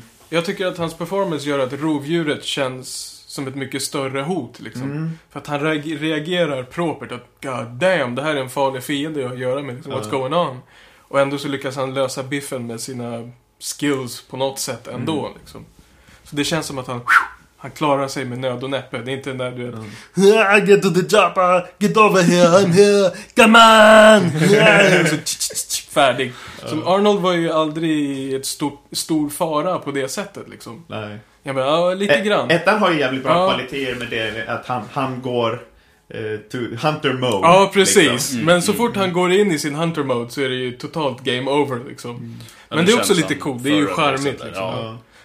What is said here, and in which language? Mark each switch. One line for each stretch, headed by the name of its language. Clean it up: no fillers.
Swedish: Jag tycker att hans performance gör att rovdjuret känns som ett mycket större hot. Liksom. Mm. För att han reagerar propert. Att,
English: God damn,
Swedish: det här är en farlig fiende jag har att göra med. Liksom,
English: what's going on?
Swedish: Och ändå så lyckas han lösa biffen med sina skills på något sätt ändå. Mm. Liksom. Så det känns som att han klarar sig med nöd och näppe. Det är inte när du är...
English: Get to the job, get over here, I'm here, come on!
Swedish: Så, färdig. Så Arnold var ju aldrig ett stor fara på det sättet. Liksom. Nej. Jag menar, lite grann. Ettan har ju jävligt bra kvaliteter med det. Att han går
English: Hunter mode.
Swedish: Ja, precis. Liksom. Men så fort han går in i sin hunter mode så är det ju totalt game over liksom. Mm. Men det är också lite coolt. Det är ju charmigt liksom. Ja.